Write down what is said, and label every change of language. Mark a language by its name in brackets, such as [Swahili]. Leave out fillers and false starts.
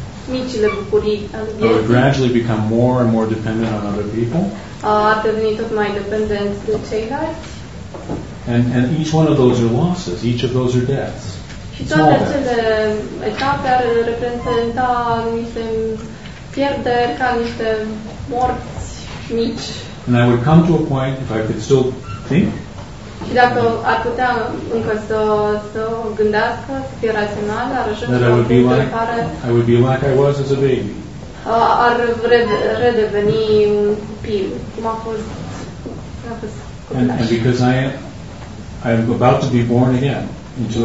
[Romanian] micile bucurii ale vieții. [English] Become more and more dependent on other people. [Romanian] A devenit tot mai dependent de ceilalți. [English] And each one of those are losses, each of those are deaths. [Romanian] Și toate acele etape ar reprezenta niște pierderi, ca niște morți mici. [English] And I would come to a point if I could still think. [Romanian] Și dacă ar putea încă să gândească, să fie rațional, ar ajunge la punctul în care [English] I would be like I was as a baby. [Romanian] Ar redeveni un copil, cum a fost copilaș. [English] And because I am about to be born again into